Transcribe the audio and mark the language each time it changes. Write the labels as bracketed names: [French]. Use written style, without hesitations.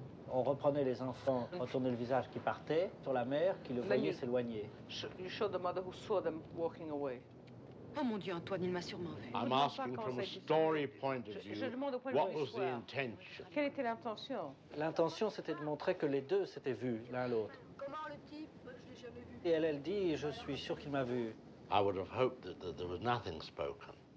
[French] On reprenait les enfants, retournait le visage qui partait sur la mère qui le [English] Then [French] voyait [English] you, [French] s'éloigner. [English] You showed the mother who saw them walking away. [French] Oh mon Dieu, Antoine, il m'a sûrement vu. [English] I'm asking from a story point of view. What was the intention? [French] Quelle était l'intention? L'intention, c'était de montrer que les deux s'étaient vus l'un l'autre. Comment le type? Je l'ai jamais vu. Et elle, elle dit, je suis sûr qu'il m'a vu. [English] I would have hoped that, that there was nothing spoken.